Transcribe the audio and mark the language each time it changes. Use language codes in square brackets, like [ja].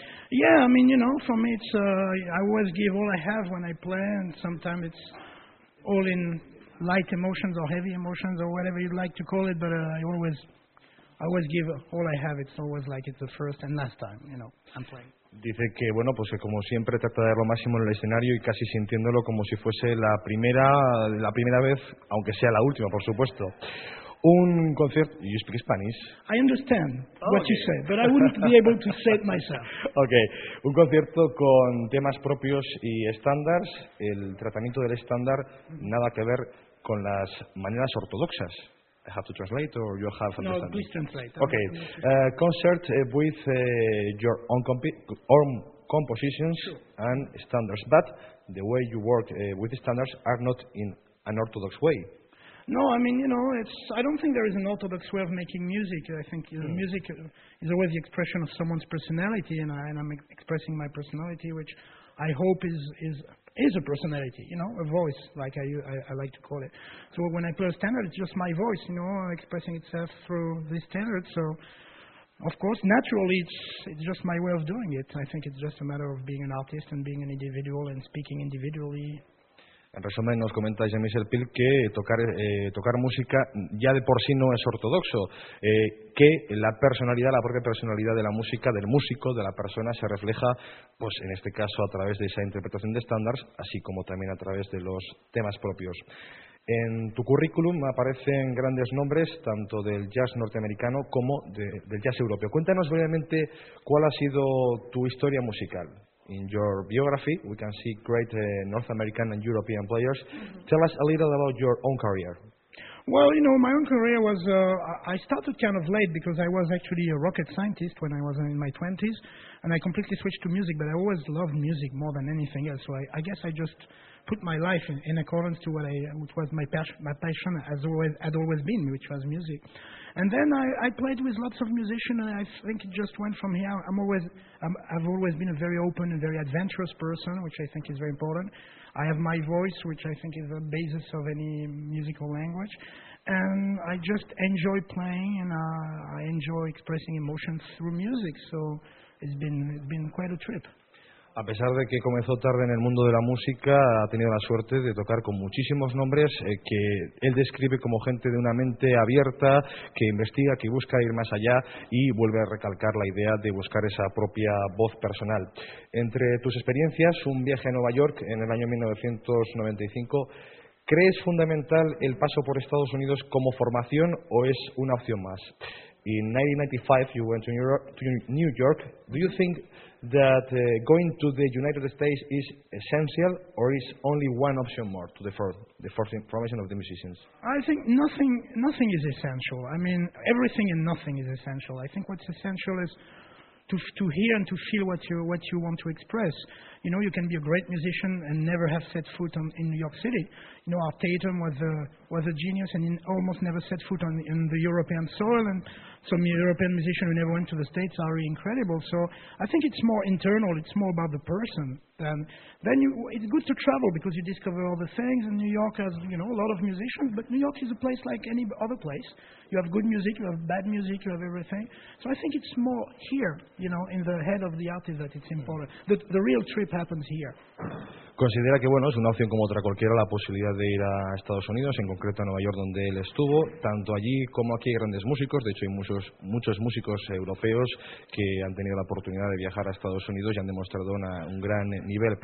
[en] Yeah, I mean, you know, for me, it's I always give all I have when I play, and sometimes it's all in light emotions or heavy emotions or whatever you'd like to call it, but I always give all I have. It's always like it's the first and last time, you know, I'm playing. [es] Dice que, bueno, pues que como siempre trata de dar lo máximo en el escenario y casi sintiéndolo como si fuese la primera vez, aunque sea la última, por supuesto. Un [en] concert. You speak Spanish? I understand what you say, but I wouldn't be able to say it myself. [es] Okay. Un concierto con temas propios y estándares. El tratamiento del estándar nada que ver con las maneras ortodoxas. [en] I have to translate or you have to understand? No, please translate. Okay. Concert with your own compositions, sure, and standards, but the way you work with standards are not in an orthodox way. No, I mean, you know, I don't think there is an orthodox way of making music. I think music is always the expression of someone's personality, and I'm expressing my personality, which I hope is a personality, you know, a voice, like I like to call it. So when I play a standard, it's just my voice, you know, expressing itself through this standard. So, of course, naturally, it's just my way of doing it. I think it's just a matter of being an artist and being an individual and speaking individually. [es] En resumen, nos comenta Jean-Michel Pil que tocar música ya de por sí no es ortodoxo, que la propia personalidad de la música, del músico, de la persona, se refleja, pues en este caso, a través de esa interpretación de estándares, así como también a través de los temas propios. En tu currículum aparecen grandes nombres, tanto del jazz norteamericano como del jazz europeo. Cuéntanos brevemente cuál ha sido tu historia musical. [en] In your biography, we can see great North American and European players. Mm-hmm. Tell us a little about your own career. Well, you know, my own career was, I started kind of late because I was actually a rocket scientist when I was in my 20s, and I completely switched to music, but I always loved music more than anything else, so I guess I just put my life in accordance to which was my passion had always been, which was music. And then I played with lots of musicians, and I think it just went from here. I've always been a very open and very adventurous person, which I think is very important. I have my voice, which I think is the basis of any musical language. And I just enjoy playing, and I enjoy expressing emotions through music. So it's been quite a trip. [es] A pesar de que comenzó tarde en el mundo de la música, ha tenido la suerte de tocar con muchísimos nombres que él describe como gente de una mente abierta, que investiga, que busca ir más allá y vuelve a recalcar la idea de buscar esa propia voz personal. Entre tus experiencias, un viaje a Nueva York en el año 1995, ¿crees fundamental el paso por Estados Unidos como formación o es una opción más? [en] In 1995, you went to New York. Do you think that going to the United States is essential, or is only one option more to the first formation of the musicians? I think nothing is essential. I mean, everything and nothing is essential. I think what's essential is to hear and to feel what you want to express. You know, you can be a great musician and never have set foot in New York City. You know, Art Tatum was a genius and almost never set foot in the European soil, and some European musicians who never went to the States are really incredible. So I think it's more internal, it's more about the person. It's good to travel because you discover all the things, and New York has, you know, a lot of musicians, but New York is a place like any other place. You have good music, you have bad music, you have everything. So I think it's more here, you know, in the head of the artist that it's important. The real trip happens here. [es] Considera que, bueno, es una opción como otra cualquiera la posibilidad de ir a Estados Unidos, en concreto a Nueva York, donde él estuvo. Tanto allí como aquí hay grandes músicos, de hecho hay muchos músicos europeos que han tenido la oportunidad de viajar a Estados Unidos y han demostrado un gran nivel.